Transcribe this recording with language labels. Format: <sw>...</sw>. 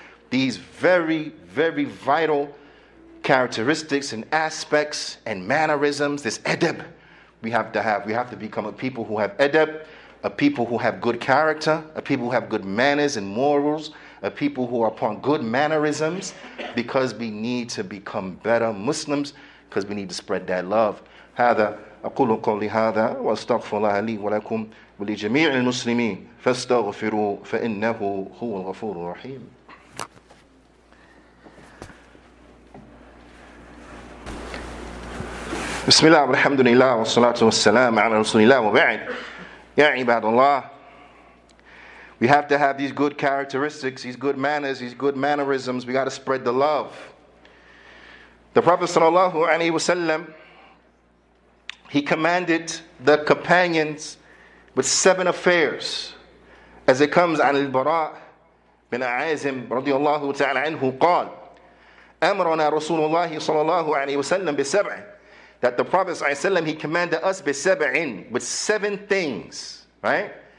<en>These very, very vital characteristics and aspects and mannerisms, this adab we have to have. We have to become a people who have adab, a people who have good character, a people who have good manners and morals, a people who are upon good mannerisms, because we need to become better Muslims. Because we need to spread that love.</en> <ar>هذا أقول قولي هذا وأستغفر الله لي ولكم ولجميع المسلمين فاستغفروا فإنه هو الغفور الرحيم. بسم الله والحمد لله والصلاة والسلام على رسول الله وبعد يا عباد الله.</ar> <en>We have to have these good characteristics, these good manners, these good mannerisms. We got to spread the love. The Prophet sallallahu alaihi wasallam, he commanded the companions with seven affairs, as it comes</en> <ar>عن البراء بن عازم رضي الله تعالى عنه قال أمرنا رسول الله صلى الله عليه وسلم بسبع,</ar> <en>that the Prophet sallallahu alaihi wasallam, he commanded us بسبعين, with seven things, right?</en>